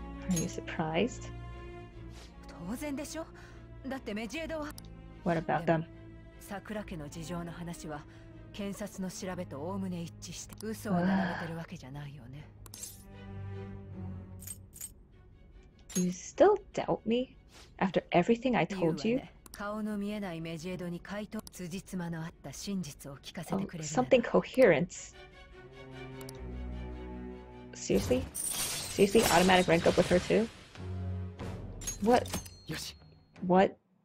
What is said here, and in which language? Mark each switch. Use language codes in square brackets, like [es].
[en] Are you surprised? [ja] 当然でしょ。だってメジエドは。 [en] What about them? [ja] 桜家の事情の話は検察の調べと概ね一致して、嘘を並べてるわけじゃないよね。 [en] You still doubt me after everything I told you? [ja] 顔の見えないメジエドに回答、辻褄のあった真実を聞かせてくれる。 [en] Something coherent. Seriously? Seriously? Automatic rank up with her too? What? What?